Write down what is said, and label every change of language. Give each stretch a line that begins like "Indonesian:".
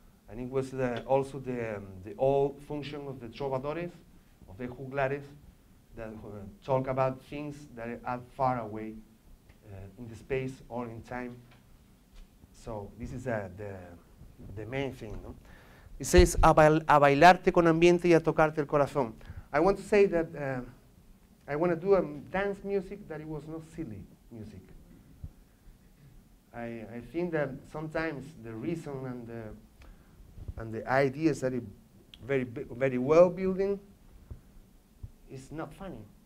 English: And it was also the old function of the trovadores, of the juglares, that talk about things that are far away in the space or in time. So this is the the main thing. No? It says,
Spanish: a bailarte con ambiente y a tocarte el corazón.
English: I want to say that I want to do a dance music that it was not silly music. I think that sometimes the reason and the ideas that are very, very well building is not funny.